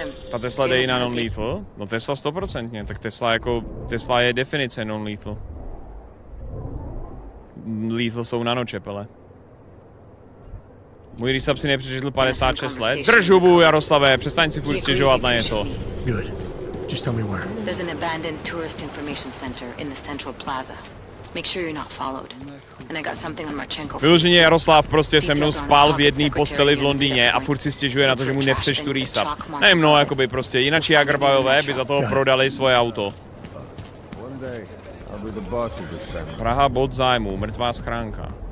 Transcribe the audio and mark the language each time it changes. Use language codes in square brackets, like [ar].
[cs] Ta Tesla jde i na non-lethal? No Tesla 100%, tak Tesla jako, Tesla je definice non-lethal. Lethal jsou nanočepele. Můj rýsab si nepřečetl 56 let. Drž hubu, Jaroslave, přestaň si furt stěžovat na něco. [en] Good. Just tell me where. There's an abandoned tourist information center in the central plaza. Make sure you're not followed. And I got something on Marchenko. [cs] Vyloženě Jaroslav prostě se mnou spál v jedné posteli v Londýně a furt si stěžuje na to, že mu nepřečtu rýsab. Ne mnou, jakoby prostě, jinakší Agrbajové by za toho prodali svoje auto. Praha, bod zájmu, mrtvá schránka.